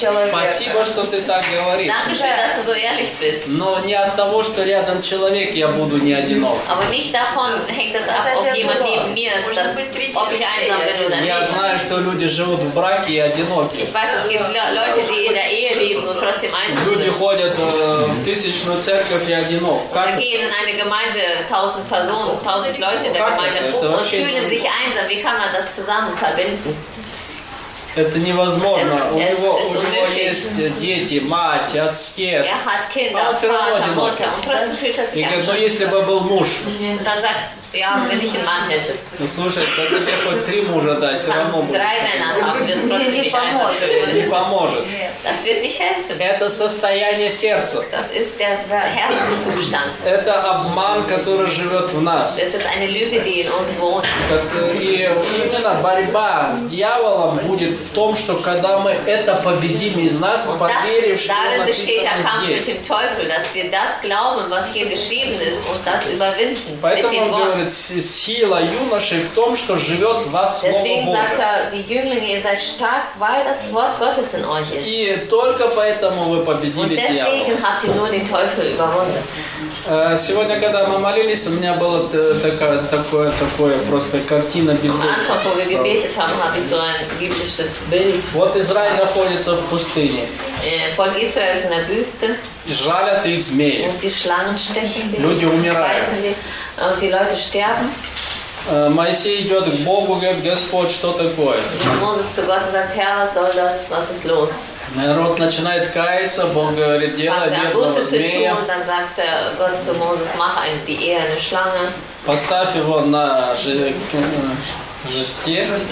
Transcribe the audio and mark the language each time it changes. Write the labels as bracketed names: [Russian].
[Russian] Спасибо, что ты так говоришь. [German] Dass du so ehrlich bist. [Russian] Но не от того, что рядом человек, я буду не одинок. [German] Aber nicht davon hängt das ab, ob jemand neben mir ist, ob ich einsam bin oder nicht. [Russian] Я знаю, что люди живут в браке и одиноки. [German] Ich weiß, es gibt Leute, die in der Ehe leben, und trotzdem einsam sind. [Russian] Люди ходят в тысячную церковь и одинок. Как? [German] Und gehen in eine Gemeinde, 1000 Personen, 1000 Leute in der Gemeinde und fühlen sich einsam. Wie kann man das zusammen verbinden? [Russian] Это невозможно. У него есть дети, мать, отец. [German] Er hat Kinder, Vater, Mutter. Und trotzdem fühlt er sich einsam. [Russian] Если бы был муж. [German] Dann sagt, ja, wenn ich einen Mann hätte. [Russian] Ну, слушай, тогда если хоть три мужа, да, все равно будет. [German] Drei Männer haben, wir trotzdem nicht einsam. [Russian] Не поможет. [German] Das wird nicht helfen. [Russian] Это состояние сердца. [German] Das ist der Herzenszustand. [Russian] Это обман, который живет в нас. [German] Das ist eine Lüge, die in uns wohnt. [Russian] И именно борьба с дьяволом будет в том, что когда мы это победим из нас, поверив, что написано [German] Darin besteht der Kampf mit dem Teufel, dass wir das glauben, was hier geschrieben ist, und das überwinden. [Russian] Поэтому он говорит, говорит, сила юноши в том, что живет в вас Слово Божие. [German] Deswegen sagt er, die Jünglinge, ihr seid stark, weil das Wort Gottes in euch ist. [Russian] И только поэтому вы победили дьявола. [German] Und deswegen habt ihr nur den Teufel überwunden. [Russian] Сегодня, когда мы молились, у меня было такое просто картина библейского. [German] Am Anfang, wo wir gebetet haben, habe ich so ein biblisches Bild. [Russian] Вот Израиль находится в пустыне. [German] Volk Israel ist in der Wüste. [Russian] Жалят их змеи. [German] Und die Schlangen stechen sie. [Russian] Люди умирают. [German] Und die Leute sterben. [Russian] Моисей идет к Богу, говорит, Господь, что такое? [German] Moses zu Gott sagt, Herr, was soll das? Was ist los? [Russian] Народ начинает каяться, Бог говорит, поставь его на жесте.